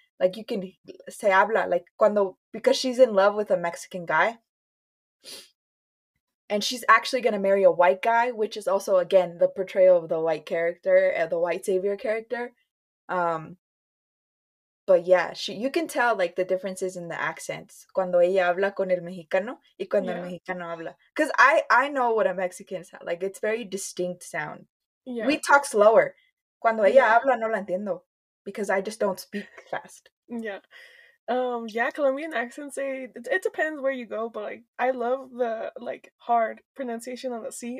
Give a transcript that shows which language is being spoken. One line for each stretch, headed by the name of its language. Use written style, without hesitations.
English: Like you can
Spanish: se habla,
English: like
Spanish: cuando,
English: because she's in love with a Mexican guy. And she's actually going to marry a white guy, which is also, again, the portrayal of the white character, the white savior character. But yeah, you can tell like the differences in the accents.
Spanish: Cuando ella habla con el mexicano y cuando el
English: Yeah.
Spanish: mexicano habla.
English: Because I know what a Mexican sounds like. It's very distinct sound. We Yeah. talk slower.
Spanish: Cuando ella
English: Yeah.
Spanish: habla, no la entiendo
English: because I just don't speak fast. Yeah. Yeah, Colombian accents, it depends where you go, but like I love the like hard pronunciation on the C.